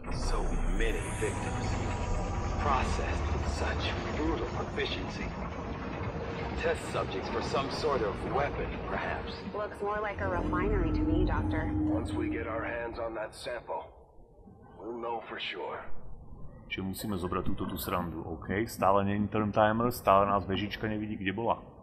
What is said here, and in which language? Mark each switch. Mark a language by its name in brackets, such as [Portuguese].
[English] So many victims, processed with such brutal efficiency. Test subjects for some sort of weapon, perhaps. Looks more like a refinery to me, Doctor. Once we get our hands on that sample, we'll know for sure. [Slovak] Čiže musíme zobrať túto tú srandu, OK. Stále není turn timer, stále nás vežička nevidí, kde bola.